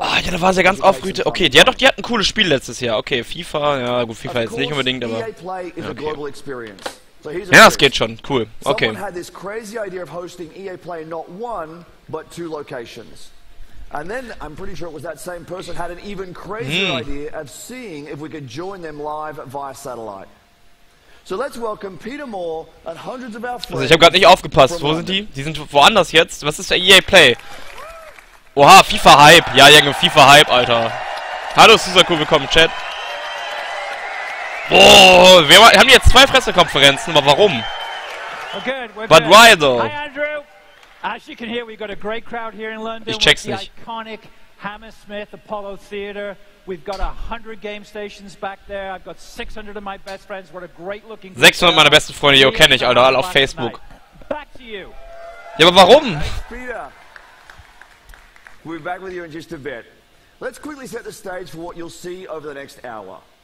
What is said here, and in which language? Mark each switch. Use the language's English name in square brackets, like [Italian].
[German] Ah, ja, da war sie ja ganz aufgerührt. Okay, die hat doch, die hat ein cooles Spiel letztes Jahr. Okay, FIFA, ja, gut, FIFA jetzt nicht unbedingt, aber okay. Ja, es geht schon. Cool. Okay. [English] Someone had this crazy idea of hosting EA Play not one, but two locations. And then I'm pretty sure it was that same person had an even crazier idea of seeing if we could join them live via satellite. So let's welcome Peter Moore and hundreds of our friends. [German] Also ich habe gerade nicht aufgepasst. Wo sind die? Die sind woanders jetzt. Was ist der EA Play? Oha, FIFA Hype. Ja, Junge, FIFA Hype, Alter. Hallo Susaku, willkommen im Chat. Boah, wir haben jetzt zwei Pressekonferenzen, aber warum? [English] But why though? As you can hear, we've got a great crowd here in London. [German] Ich check's nicht. [English] The iconic Hammersmith Apollo Theater. We've got 100 game stations back there. I've got 600 of my best friends. What a great looking. [German] 600 meiner besten Freunde, yo, kenne ich, Alter, alle auf Facebook. [English] Back to you. [German] Ja, aber warum? [English] We'll be back with you in just a bit. Let's quickly set the stage for what you'll see over the next hour.